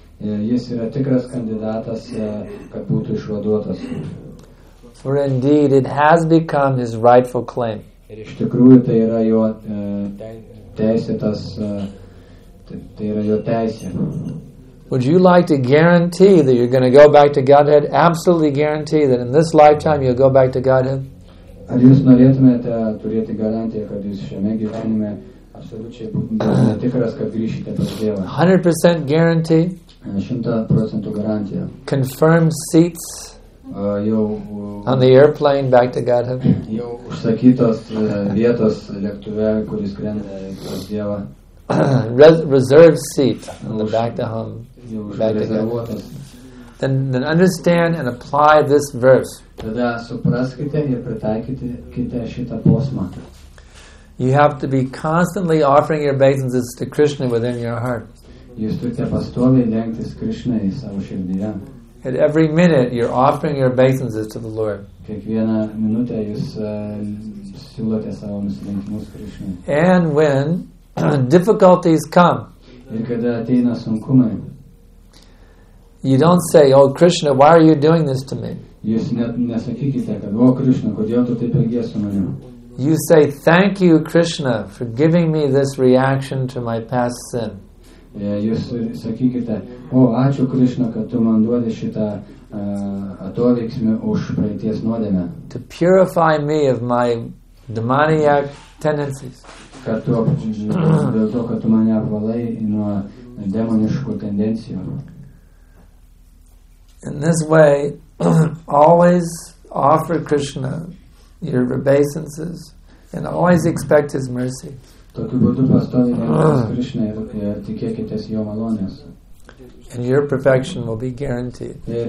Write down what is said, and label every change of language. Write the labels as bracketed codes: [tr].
[lt] Jis yra tikras kandidatas, kad būtų išvaduotas. [en] For indeed, it has become his rightful claim. [lt] Ir iš tikrųjų, tai yra jo teisėtas, tai yra jo teisė. [en] Would you like to guarantee that you're going to go back to Godhead? Absolutely guarantee that in this lifetime you'll go back to Godhead? [lt] Ar jūs norėtumėte turėti garantiją, kad jūs šiame gyvenime absoliučiai būtumėte tikras, kad grįšite pas Dievą? [en] 100% guarantee? [lt] 100% garantija. [en] Confirmed seats? On the airplane back to Godhead? [lt] Jau užsakytos vietos lėktuve, kuris skrenda pas Dievą. [en] Reserved seat in the back to home. Back to then understand and apply this verse. [lt] Tada supraskite ir pritaikite šitą posmą. [en] You have to be constantly offering your obeisances to Krishna within your heart. [lt] Jūs turite pastoviai lenktis Krishnai savo širdyje. [en] At every minute you're offering your obeisances to the Lord. [lt] Kiekvieną minutę jūs siūlote savo nusilenkimus Krishnai. [en] And when difficulties come, [lt] ir kada ateina sunkumai, [en] you don't say, oh Krishna, why are you doing this to me? [lt] Jūs nesakykite, kad, o Krishna, kodėl tu taip elgies su manim? [en] You say, thank you, Krishna, for giving me this reaction to my past sin. [lt] Jūs sakykite, o, ačiū Krišna, kad tu man duodi šitą atoveiksmį už praeities nuodėmę. [en] To purify me of my demoniac tendencies. [lt] Kad tu, dėl to, kad tu mane apvalai nuo demoniškų tendencijų. [en] In this way, always offer Krishna your obeisances and always expect his mercy. And your perfection will be guaranteed.